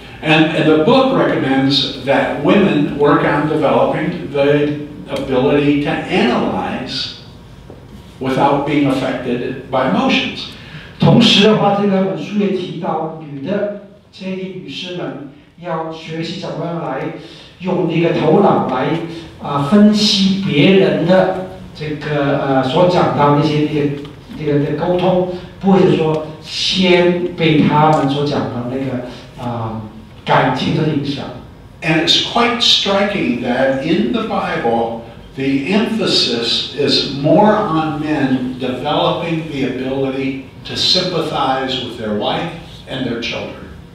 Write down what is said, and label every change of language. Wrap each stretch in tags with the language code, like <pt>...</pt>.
<en>And the book recommends that women work on developing the ability to analyze without being affected by emotions.</en> <zh>同时的话，这两本书也提到女的。建议女士们要学习怎么样来用你的头脑来分析别人的这个所讲到那些沟通，不会说先被他们所讲的那个感情的影响。</zh> <en>And it's quite striking that in the Bible, the emphasis is more on men developing the ability to sympathize with their wife and their children.</en>